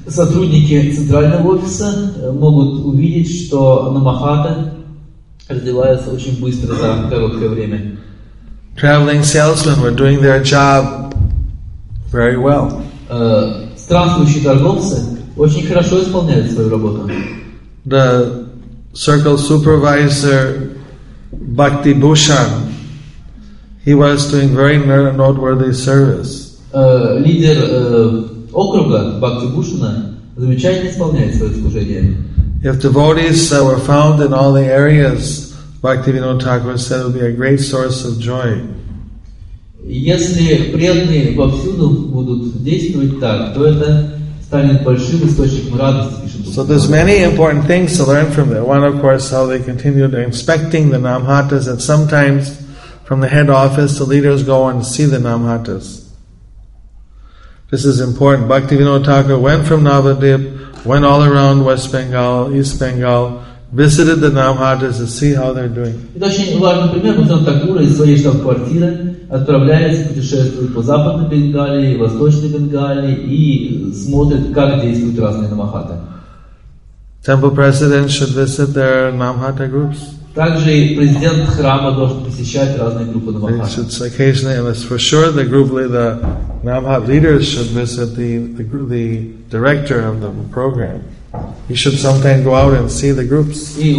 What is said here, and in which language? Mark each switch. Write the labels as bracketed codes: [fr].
[ru] Сотрудники центрального офиса могут увидеть, что Намахата развивается очень быстро за короткое время. [en] Traveling salesmen were doing their job very well. [ru] Странствующие торговцы очень хорошо исполняют свою работу. [en] The circle supervisor Bhakti Bhushan, he was doing very noteworthy service. [ru] Лидер округа Бхакти Бушана замечательно исполняет свое служение. [en] If devotees were found in all the areas, Bhaktivinoda Thakur said, it would be a great source of joy. [ru] Если преданные повсюду будут действовать так, то это станет большим источником радости. [en] So there's many important things to learn from there. One, of course, how they continued inspecting the Namahatas, and sometimes from the head office, the leaders go and see the Namahatas. This is important. Bhaktivinoda Thakur went from Navadvip, went all around West Bengal, East Bengal, visited the Namahatas to see how they're doing. [ru] Это очень важный пример. Бхактивинода Такура из своей штаб-квартиры отправляется, путешествует по Западной Бенгалии, Восточной Бенгалии и смотрит, как действуют разные Намахаты. [en] Temple president should visit their Namahata groups. [ru] Также и президент храма должен посещать разные группы Намахаты. [en] Should occasionally, and it's for sure, the group leader, the Namahata leaders should visit the director of the program. He should sometimes go out and see the groups.